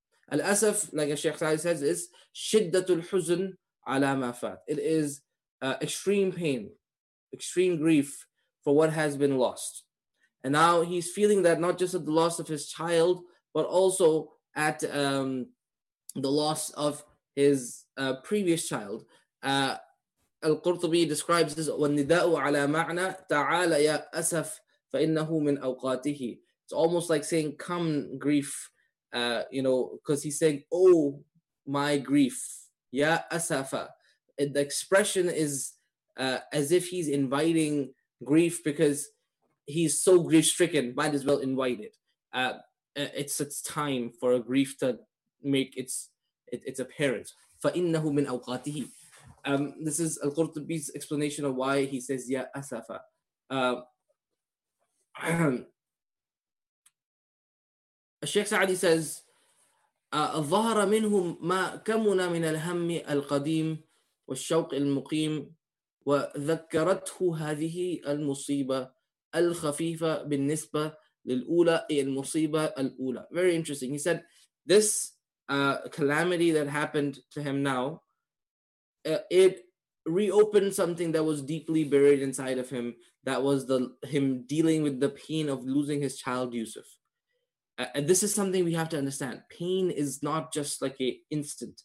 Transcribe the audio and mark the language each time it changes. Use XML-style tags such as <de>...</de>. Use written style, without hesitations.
<en>Al Asaf, like Sheikh Sa'di says, is</en> <ar>Shiddatul Huzn ala Mafat.</ar> <en>It is extreme pain, extreme grief for what has been lost. And now he's feeling that not just at the loss of his child, but also at the loss of his previous child. Al-Qurtubi describes this,</en> <ar>وَالنِّدَاءُ عَلَى مَعْنَى تَعَالَ يَا أَسَفْ فَإِنَّهُ مِنْ أَوْقَاتِهِ.</ar> <en>It's almost like saying, come grief, because he's saying, oh my grief,</en> <ar>يَا أَسَفَ.</ar> <en>The expression is as if he's inviting grief because he's so grief-stricken, might as well invite it. It's time for a grief to make its appearance.</en> <ar>فَإِنَّهُ مِنْ أَوْقَاتِهِ.</ar> <en>This is Al-Qurtubi's explanation of why he says,</en> <ar>Ya Asafa.</ar> <en>Sheikh Sa'di says,</en> <ar>أَظَهَرَ مِنْهُمْ مَا كَمُنَا مِنَ الْهَمِّ الْقَدِيمِ وَالشَّوْقِ الْمُقِيمِ وذكرته هذه المصيبة الخفيفة بالنسبة للأولى المصيبة الأولى.</ar> <en>Very interesting. He said this calamity that happened to him now, it reopened something that was deeply buried inside of him. That was him dealing with the pain of losing his child Yusuf. And this is something we have to understand. Pain is not just like an instant.</en>